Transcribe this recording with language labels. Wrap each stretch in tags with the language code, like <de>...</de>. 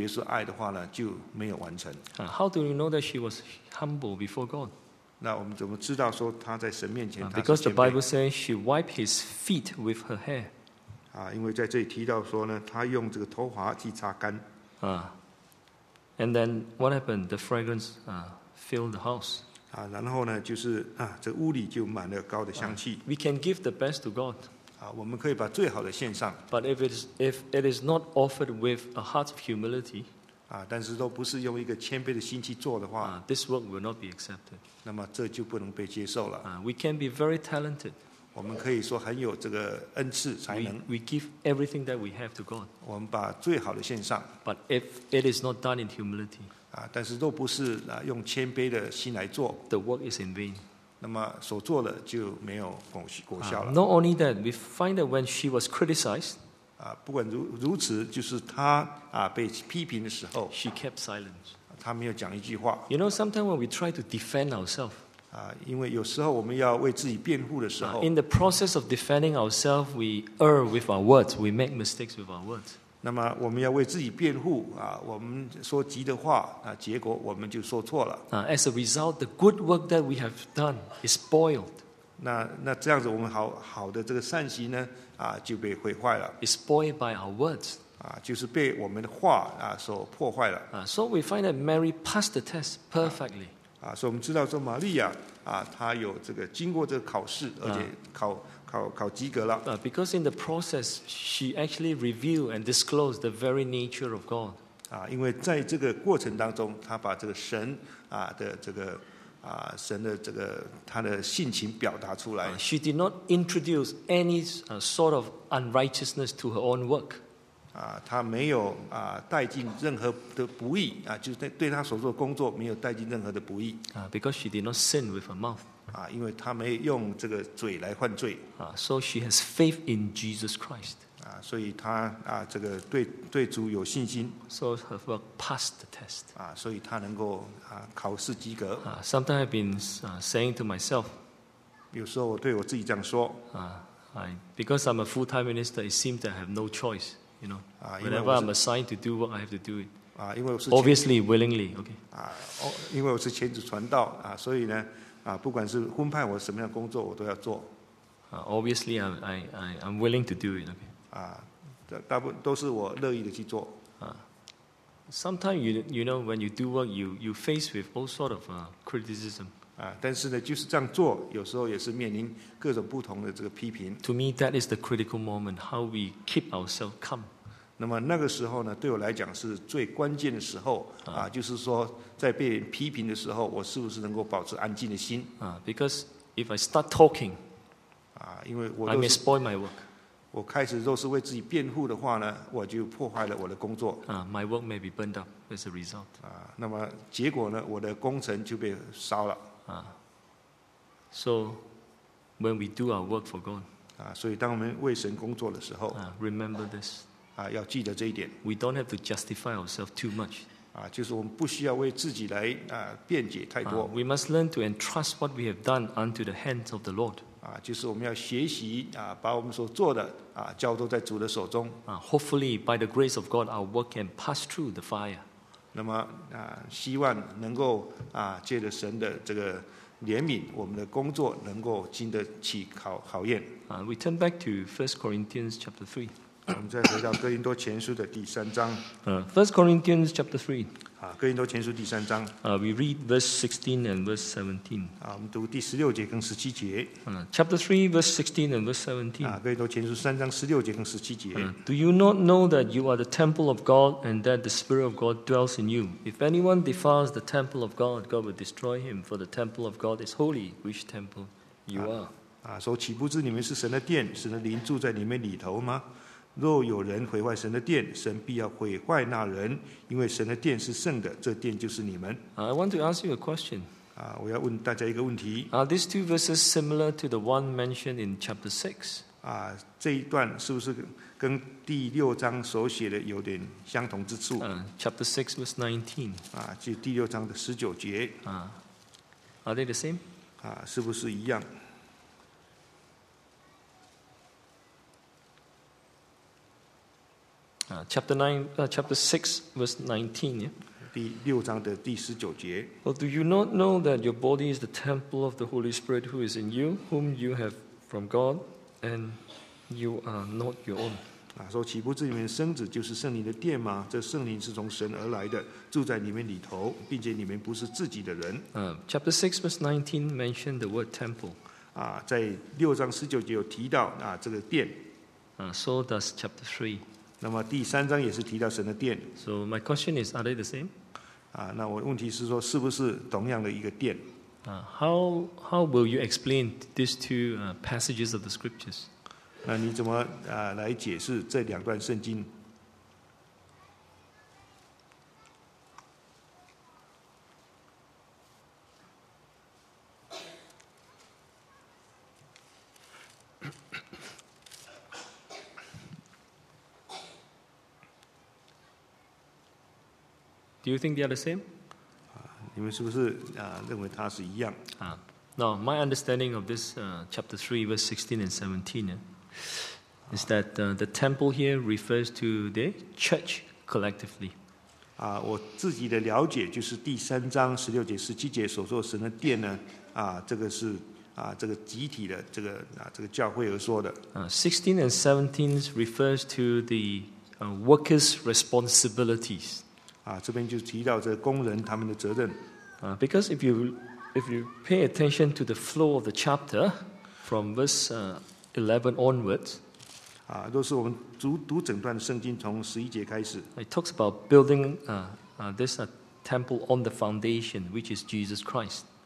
<zh>但是她的工作若是没有经过她的就是谦卑跟她对主耶稣爱的话呢，就没有完成。</zh> <en>How do you know that she was humble before God?</en> <zh>那我们怎么知道说她在神面前她是谦卑？</zh> <en>Because the Bible says she wiped his feet with her hair.</en> <zh>因为在这里提到说呢，她用这个头发去擦干。</zh> <en>And then what happened? The fragrance filled the house.</en> <zh>然后呢，就是这屋里就满了膏的香气。</zh> <en>We can give the best to God.</en> <zh>我们可以把最好的献上。</zh> <en>But if it is not offered with a heart of humility.</en> <zh>但是都不是用一个谦卑的心去做的话，</zh> <en>this work will not be accepted.</en> <zh>那么这就不能被接受了。</zh> <en>We can be very talented.</en> <zh>我们可以说很有这个恩赐才能。</zh> <en>We give everything that we have to God.</en> <zh>我们把最好的献上。</zh> <en>But if it is not done in humility,</en> <zh>但是都不是用谦卑的心来做，</zh> <en>the work is in vain.</en> <zh>那么所做的就没有果效了。</zh> <en>Not only that, we find that when she was criticized,</en> <zh>不管如此，就是他被批评的时候，</zh> <en>she kept silence.</en> <zh>他没有讲一句话。</zh> <en>You know, sometimes when we try to defend ourselves,</en> <zh>因为有时候我们要为自己辩护的时候，</zh> <en>in the process of defending ourselves, we err with our words, we make mistakes with our words.</en> <zh>那么我们要为自己辩护， 我们说急的话， 结果我们就说错了。</zh> <en>As a result, the good work that we have done is spoiled.</en> <zh>那这样子我们好的这个善行呢， 就被毁坏了。</zh> <en>It's spoiled by our words.</en> <zh>就是被我们的话所破坏了。</zh> <en>So we find that Mary passed the test perfectly.</en> <zh>所以我们知道说玛利亚， 她有这个经过这个考试， 而且考及格了。</zh> <en>Because in the process, she actually revealed and disclosed the very nature of God.</en> <zh>因为在这个过程当中， 她把这个神的这个 神的这个他的性情表达出来。</zh> <en>She did not introduce any sort of unrighteousness to her own work.</en> <zh>她没有带进任何的不义， 就是对她所做的工作没有带进任何的不义。</zh> <en>Because she did not sin with her mouth.</en> <zh>因为她没用这个嘴来犯罪。</zh> <en>So she has faith in Jesus Christ.</en> <zh>所以他这个对主有信心。</zh> <en>So he passed the test.</en> <zh>所以他能够考试及格。</zh> <en>Sometimes I've been saying to myself.</en> <zh>有时候我对我自己这样说。</zh> <en>Because I'm a full-time minister, it seems that I have no choice. You know, whenever I'm assigned to do what I have to do it.</en> <zh>因为我是</zh> <en>obviously willingly. Okay.</en> <zh>因为我是前主传道所以呢不管是分派我什么样的工作，我都要做。</zh> <en>Obviously, I'm willing to do it. Okay.</en> <zh>大部分都是我乐意的去做。</zh> <en>Sometimes you know when you do work, you face with all sort of criticism.</en> <zh>但是呢，就是这样做，有时候也是面临各种不同的这个批评。</zh> <en>To me, that is the critical moment. How we keep ourselves calm.</en> <zh>那么那个时候呢，对我来讲是最关键的时候。就是说在被人批评的时候，我是不是能够保持安静的心？</zh> <en>Because if I start talking,</en> <zh>因为我</zh> <en>I may spoil my work.</en> <zh>我开始若是为自己辩护的话呢，我就破坏了我的工作。</zh> <en>My work may be burned up as a result.</en> <zh>那么结果呢，我的工程就被烧了。</zh> <en>So when we do our work for God.</en> <zh>所以当我们为神工作的时候。</zh> <en>Remember this.</en> <zh>要记得这一点。</zh> <en>We don't have to justify ourselves too much.</en> <zh>就是我们不需要为自己来辩解太多。</zh> <en>We must learn to entrust what we have done unto the hands of the Lord.</en> <zh>就是我们要学习把我们所做的交托在主的手中。</zh> <en>Hopefully, by the grace of God, our work can pass through the fire.</en> <zh>那么希望能够借着神的这个怜悯，我们的工作能够经得起考验。</zh> <en>We turn back to 1 Corinthians chapter 3.</en> <zh>我们再回到哥林多前书的第三章。</zh> <en>1 Corinthians chapter 3.</en> <zh>哥林多前书第三章。</zh> <en>We read verse 16 and verse 17.</en> <zh>我们读第十六节跟十七节。</zh> <en>Chapter 3, verse 16 and verse 17.</en> <zh>哥林多前书三章十六节跟十七节。</zh> <en>Do you not know that you are the temple of God and that the Spirit of God dwells in you? If anyone defiles the temple of God, God will destroy him, for the temple of God is holy, which temple you are.</en> <zh>说岂不知你们是神的殿，神的灵住在你们里头吗？若有人毁坏神的殿，神必要毁坏那人，因为神的殿是圣的，这殿就是你们。</zh> <en>I want to ask you a question.</en> <zh>我要问大家一个问题。</zh> <en>These two verses similar to the one mentioned in chapter 6.</en> <zh>这一段是不是跟第六章所写的有点相同之处？</zh> <en>Chapter 6 verse 19.</en> <zh>就第六章的十九节。</zh> <en>Are they the same?</en> <zh>是不是一样？</zh> <en>Chapter 6, verse 19. Yeah?</en> <zh>第六章的第十九节。</zh> <en>Well, do you not know that your body is the temple of the Holy Spirit who is in you, whom you have from God, and you are not your own?</en> <zh>说岂不知你们身子就是圣灵的殿吗？这圣灵是从神而来的，住在你们里头，并且你们不是自己的人。</zh> <en>Chapter 6, verse 19 mentioned the word temple.</en> <zh>在六章十九节有提到这个殿。</zh> <en>So does chapter 3.</en> <zh>那么第三章也是提到神的殿。</zh> <en>So my question is, are they the same?</en> <zh>那我问题是说，是不是同样的一个殿？</zh> <en>How will you explain these two passages of the scriptures?</en> <zh>那你怎么来解释这两段圣经？</zh> <en>Do you think they are the same?</en> <zh>你们是不是认为它是一样？</zh> <en>Now, my understanding of this chapter 3, verse 16 and 17 is that the temple here refers to the church collectively.</en> <zh>我自己的了解就是第三章十六节、十七节所说的神的殿呢，这个是这个集体的这个教会而说的。</zh> <en>16 and 17 refers to the workers' responsibilities.</en> <zh>这边就提到这工人他们的责任。</zh> <en>Because if you pay attention to the flow of the chapter from verse 11 onwards,</en> <zh>都是我们读整段圣经从十一节开始。</zh> <en>It talks about building this temple on the foundation, which is Jesus Christ.</en>